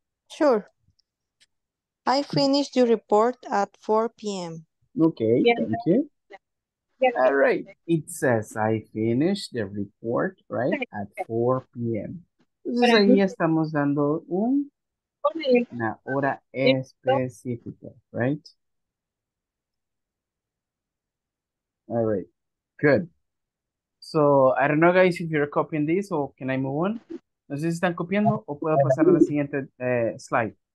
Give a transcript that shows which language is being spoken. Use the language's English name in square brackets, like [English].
[English] Sure. I finished your report at 4 p.m. Okay, thank you. All right. It says I finish the report, right, at 4 p.m. [Spanish] Entonces ahí estamos dando una hora específica, right? [English] All right. Good. So, I don't know, guys, if you're copying this or can I move on? [Spanish] No sé si están copiando o puedo pasar a la siguiente slide.